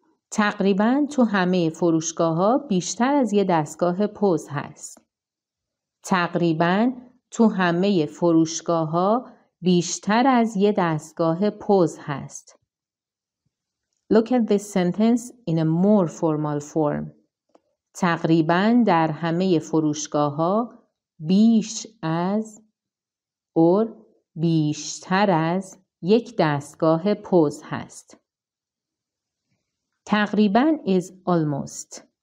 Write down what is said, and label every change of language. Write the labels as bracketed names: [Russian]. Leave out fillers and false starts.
[Persian] تقریبا تو همه فروشگاه‌ها بیشتر از یه دستگاه پوز هست. تقریبا تو همه فروشگاه‌ها بیشتر از یه دستگاه پوز هست. [English] Look at this sentence in a more formal form. [Persian] تقریبا در همه فروشگاه‌ها بیش از or بیشتر از یک دستگاه پوز هست. [English] تقریبا is almost.